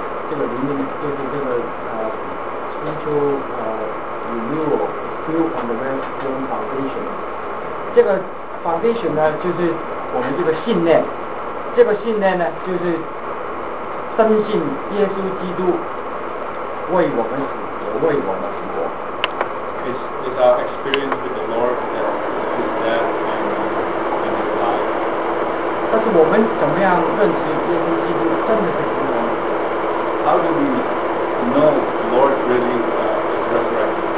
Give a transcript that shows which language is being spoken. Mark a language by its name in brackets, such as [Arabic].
[Chinese] 这个灵命就是这个 [English] spiritual renewal built on the very strong foundation。 [Chinese] 这个 foundation 呢，就是我们这个信念。这个信念呢，就是深信耶稣基督为我们死，也为我们复活。 [English] It's our experience with the Lord that is there and is alive. [Chinese] 但是我们怎么样认识耶稣基督真的是复活 [English] ？How do we know the Lord really is resurrected？